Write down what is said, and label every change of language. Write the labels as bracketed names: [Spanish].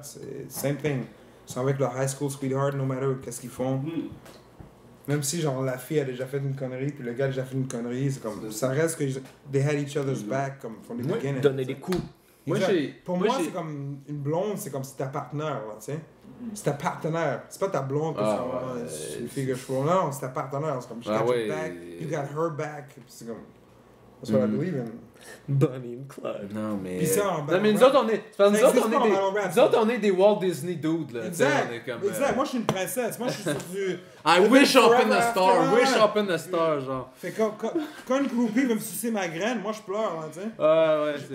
[French] C'est [English] same thing. [French] Ils sont avec leur [English] high school sweetheart, no matter [French] qu'est-ce qu'ils font. Même si, genre, la fille a déjà fait une connerie, puis le gars a déjà fait une connerie, c'est comme. Ça reste que. [English] They had each other's back, comme, from the beginning. [French] Ils donnaient des coups. Pour moi, c'est comme une blonde, c'est comme si ta partenaire, tu sais. C'est ta partenaire. C'est pas ta blonde, parce que c'est une fille que je trouve. Non, c'est ta partenaire. C'est comme, [English] you got your back, you got her back. [French] C'est comme, [English] that's what I believe in. Bunny and Clyde. [French] Non, mais. Puis ça, en [English] battle rap. [French] Mais nous autres, on est des Walt Disney dudes, là. Exact. Moi, je suis une princesse. Moi, je suis sur [English] du. I wish open the star, genre. [French] Fait quand une groupie va me sucer ma graine, moi, je pleure, là, tu sais.